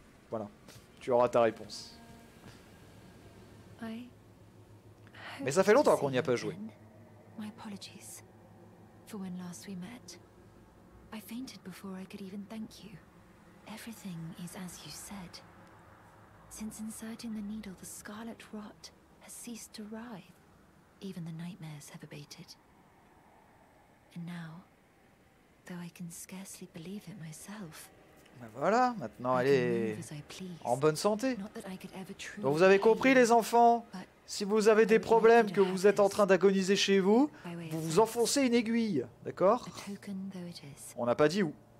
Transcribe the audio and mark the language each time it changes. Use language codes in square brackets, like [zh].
[fr] Voilà, tu auras ta réponse. Mais ça fait longtemps qu'on n'y a pas joué. [en] My apologies for when last we met. I fainted before I could even thank you. Everything is as you said. Since inserting the needle, the scarlet rot has ceased to writhe. Even the nightmares have abated. And now, though I can scarcely believe it myself, [fr] ben voilà, maintenant elle est en bonne santé. Donc vous avez compris les enfants, si vous avez des problèmes, que vous êtes en train d'agoniser chez vous, vous vous enfoncez une aiguille, d'accord? On n'a pas dit où.